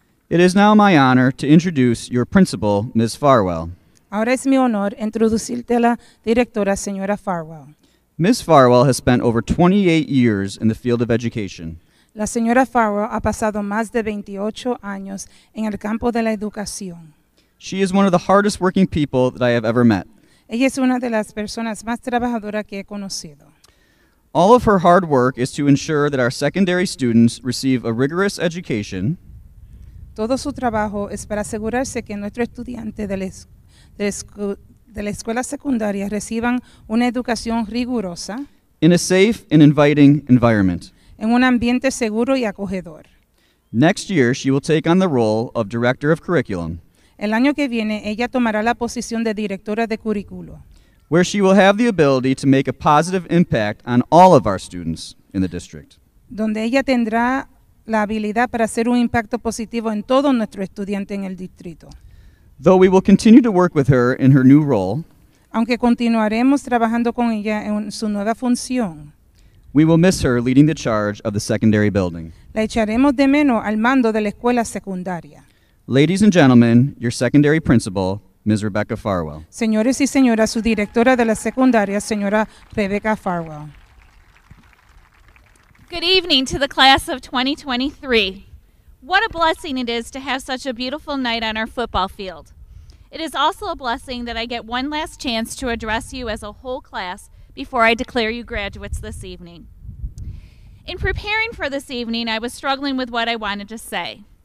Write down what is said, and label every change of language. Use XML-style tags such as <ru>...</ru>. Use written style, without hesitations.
<en>It is now my honor to introduce your principal, Ms. Farwell.</en> <es>Ahora es mi honor introducirte a la directora, señora Farwell.</es> <en>Ms. Farwell has spent over 28 years in the field of education.</en> <es>La señora Farwell ha pasado más de 28 años en el campo de la educación.</es> <en>She is one of the hardest working people that I have ever met.</en> <es>Ella es una de las personas más trabajadoras que he conocido.</es> <en>All of her hard work is to ensure that our secondary students receive a rigorous education.</en> <es>Todo su trabajo es para asegurarse que nuestro estudiante de la escuela secundaria reciban una educación rigurosa</es> <en>in a safe and inviting environment.</en> <es>En un ambiente seguro y acogedor.</es> <en>Next year, she will take on the role of director of curriculum.</en> <es>El año que viene, ella tomará la posición de directora de currículo.</es> <en>Where she will have the ability to make a positive impact on all of our students in the district.</en> <es>Donde ella tendrá la habilidad para hacer un impacto positivo en todo nuestro estudiante en el distrito.</es> <en>Though we will continue to work with her in her new role,</en> <es>aunque continuaremos trabajando con ella en su nueva función,</es> <en>we will miss her leading the charge of the secondary building.</en> <es>La echaremos de menos al mando de la escuela secundaria.</es> <en>Ladies and gentlemen, your secondary principal, Ms. Rebecca Farwell.</en> <es>Señores y señoras, su directora de la secundaria, señora Rebecca Farwell.</es> <en>Good evening to the class of 2023. What a blessing it is to have such a beautiful night on our football field. It is also a blessing that I get one last chance to address you as a whole class before I declare you graduates this evening. In preparing for this evening, I was struggling with what I wanted to say.</en>